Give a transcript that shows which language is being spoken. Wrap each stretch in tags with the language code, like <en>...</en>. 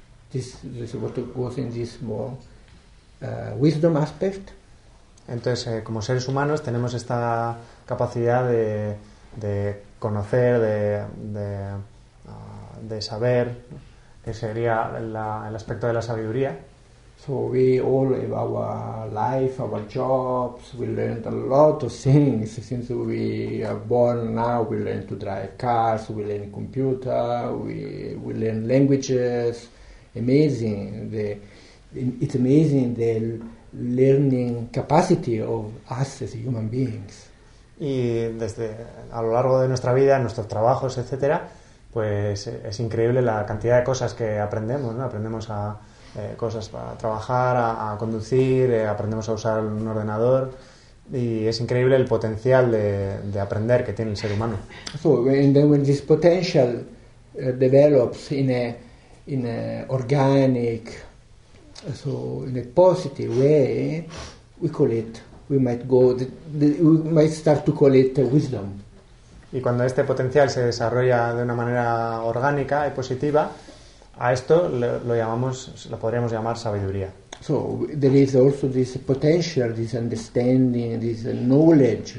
<en>This is what goes in this more wisdom aspect.</en> <es>Entonces, como seres humanos, tenemos esta capacidad de conocer, de saber, que sería el aspecto de la sabiduría.</es> <en>So we all have our life, our jobs, we learned a lot of things since we are born. Now we learn to drive cars, we learn computer, we learn languages. Amazing, it's amazing the learning capacity of us as human beings.</en> <es>Y desde a lo largo de nuestra vida, nuestros trabajos, etcétera, pues es increíble la cantidad de cosas que aprendemos, ¿no? Aprendemos a cosas para trabajar, a conducir, aprendemos a usar un ordenador, y es increíble el potencial de aprender que tiene el ser humano.</es> <en>So and then when this potential develops in a organic, so in a positive way, we might start to call it wisdom.</en> <es>Y cuando este potencial se desarrolla de una manera orgánica y positiva, a esto lo podríamos llamar sabiduría.</es> <en>So there is also this potential, this understanding, this knowledge.</en>